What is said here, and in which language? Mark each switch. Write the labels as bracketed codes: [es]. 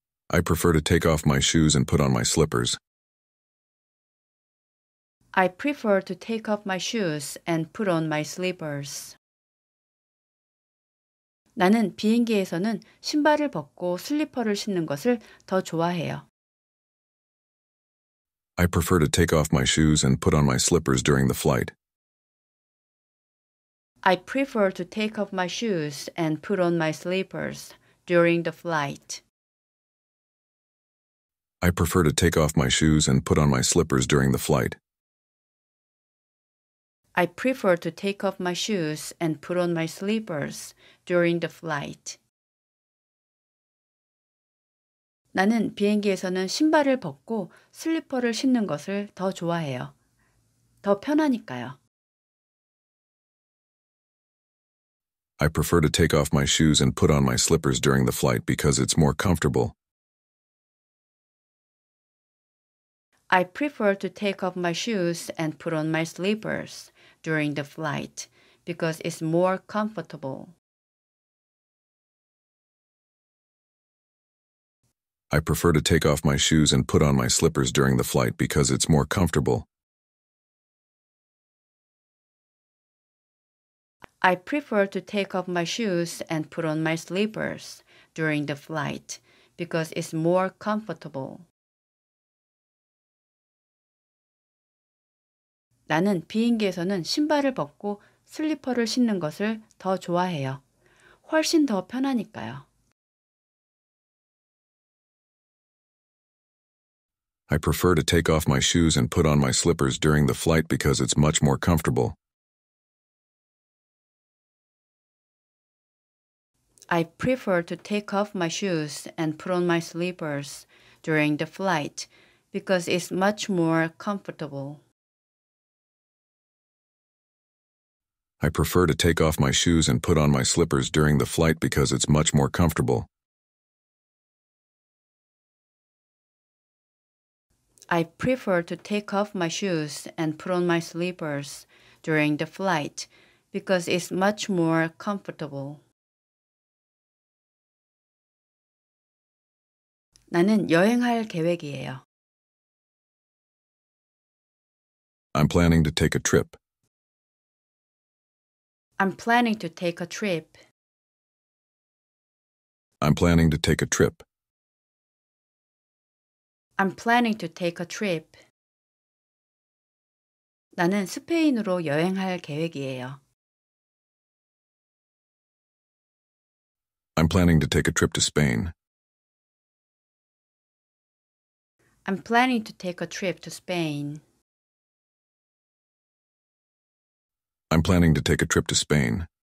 [en] I prefer to take off my shoes and put on my slippers. I prefer to take off my shoes and put on my slippers. [ko] 나는 비행기에서는 신발을 벗고 슬리퍼를 신는 것을 더 좋아해요. [en] I prefer to take off my shoes and put on my slippers during the flight. I prefer to take off my shoes and put on my slippers during the flight. I prefer to take off my shoes and put on my slippers during the flight. I prefer to take off my shoes and put on my slippers during the flight. [ko] 나는 비행기에서는 신발을 벗고 슬리퍼를 신는 것을 더 좋아해요. 더 편하니까요. [en] I prefer to take off my shoes and put on my slippers during the flight because it's more comfortable. I prefer to take off my shoes and put on my slippers during the flight because it's more comfortable. I prefer to take off my shoes and put on my slippers during the flight because it's more comfortable. I prefer to take off my shoes and put on my slippers during the flight because it's more comfortable. [ko] 나는 비행기에서는 신발을 벗고 슬리퍼를 신는 것을 더 좋아해요. 훨씬 더 편하니까요. [en] I prefer to take off my shoes and put on my slippers during the flight because it's much more comfortable. I prefer to take off my shoes and put on my slippers during the flight because it's much more comfortable. I prefer to take off my shoes and put on my slippers during the flight because it's much more comfortable. I prefer to take off my shoes and put on my slippers during the flight because it's much more comfortable. [ko] 나는 여행할 계획이에요. [en] I'm planning to take a trip. I'm planning to take a trip. I'm planning to take a trip. I'm planning to take a trip. [ko] 나는 스페인으로 여행할 계획이에요. [en] I'm planning to take a trip to Spain. I'm planning to take a trip to Spain. I'm planning to take a trip to Spain.